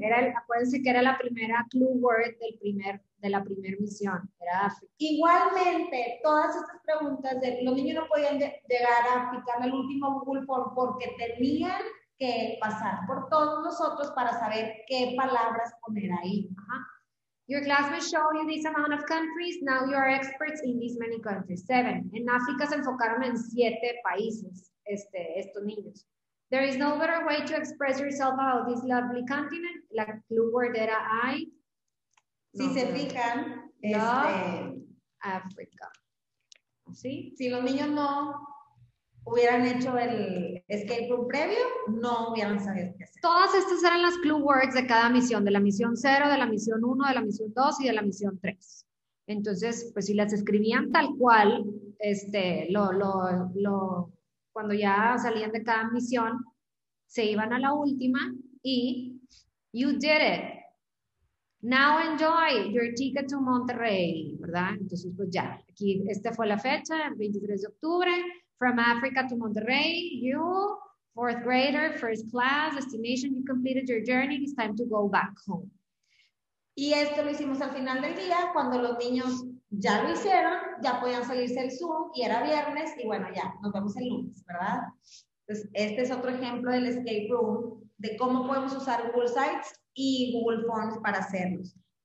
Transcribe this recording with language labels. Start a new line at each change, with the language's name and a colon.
Spanish: Acuérdense que era la primera clue word de la primera misión. Era África. Igualmente, todas estas preguntas, los niños no podían llegar a picar el último Google Form porque tenían que pasar por todos nosotros para saber qué palabras poner ahí. Ajá.
English: Your classmates show you this amount of countries. Now you are experts in these many countries. 7.
Spanish: En África se enfocaron en 7 países, estos niños.
English: There is no better way to express yourself about this lovely continent.
Spanish: La clue word era I. Si no, se fijan, África. ¿Sí? Si los niños no hubieran hecho el escape room previo, no hubieran sabido qué hacer. Todas estas eran las clue words de cada misión, de la misión 0, de la misión 1, de la misión 2 y de la misión 3. Entonces, pues si las escribían tal cual, cuando ya salían de cada misión, se iban a la última y
English: you did it. Now enjoy your ticket to Monterrey, ¿verdad?
Spanish: Entonces, pues ya, aquí esta fue la fecha, el 23 de octubre.
English: From Africa to Monterrey, you, fourth grader, first class, destination, you completed your journey, it's time to go back home.
Spanish: Y esto lo hicimos al final del día, cuando los niños ya lo hicieron, ya podían salirse el Zoom, y era viernes, y bueno, ya, nos vemos el lunes, ¿verdad? Entonces, este es otro ejemplo del escape room, de cómo podemos usar Google Sites y Google Forms para hacerlos.